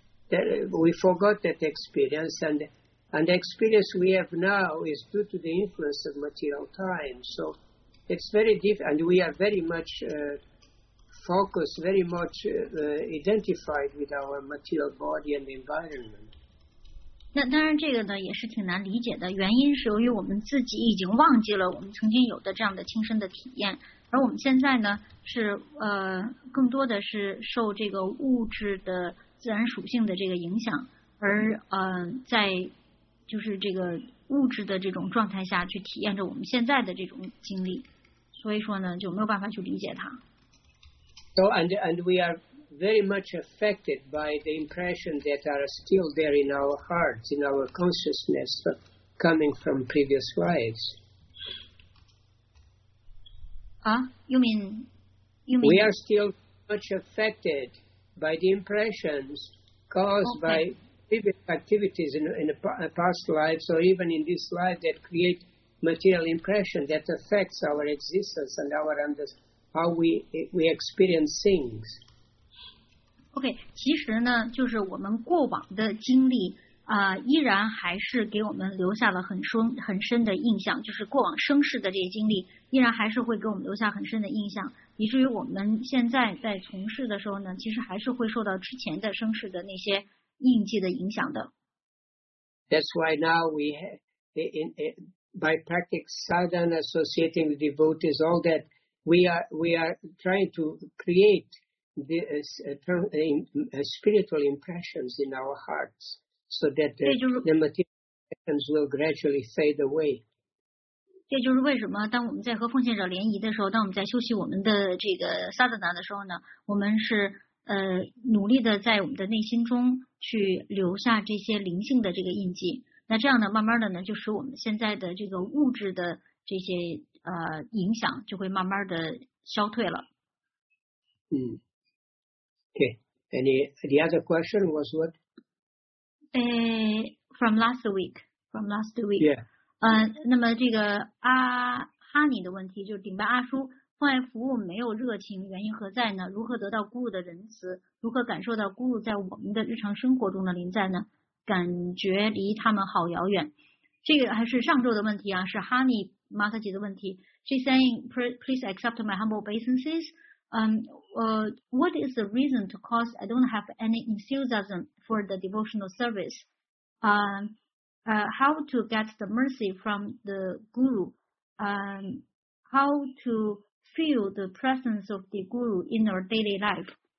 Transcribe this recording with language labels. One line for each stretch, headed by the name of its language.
English: We forgot that experience, and the experience we have now is due to the influence of material time. So it's very different, and we are very much focused, very much identified with our material body and environment.
Chinese: 那当然这个呢也是挺难理解的，原因是由于我们自己已经忘记了我们曾经有的这样的亲身的体验，而我们现在呢是更多的是受这个物质的自然属性的这个影响，而在就是这个物质的这种状态下去体验着我们现在的这种经历，所以说呢就没有办法去理解它。
English: So and we areVery much affected by the impressions that are still there in our hearts, in our consciousness, coming from previous lives. You mean? We are still much affected by the impressions caused by previous activities in past lives, or even in this life, that create material impression that affects our existence and our how we experience things.
Chinese: OK, 其实呢就是我们过往的经历依然还是给我们留下了很深的印象，就是过往生世的这些经历依然还是会给我们留下很深的印象，以至于我们现在在从事的时候呢其实还是会受到之前的生世的那些印记的影响的。
English: That's why now we have, by practice sadhana associating with devotees, all that, we are trying to createspiritual impressions in our hearts, so that the material impressions will gradually fade away.
Chinese: 这就是为什么当我们在和奉献者联谊的时候，当我们在修习我们的这个萨德纳的时候呢，我们是努力的在我们的内心中去留下这些灵性的这个印记。那这样呢，慢慢的呢，就使我们现在的这个物质的这些影响就会慢慢的消退了。
English: Okay, the other question was what? From last week. Yeah.
Chinese: 那么这个阿哈尼的问题就是顶白阿叔，奉爱服务没有热情，原因何在呢？如何得到 Guru 的仁慈？如何感受到 Guru 在我们的日常生活中的临在呢？感觉离他们好遥远。这个还是上周的问题啊，是哈尼马特吉的问题。
English: She's saying, please accept my humble obeisances. What is the reason to cause I don't have any enthusiasm for the devotional service? How to get the mercy from the guru? How to feel the presence of the guru in our daily life?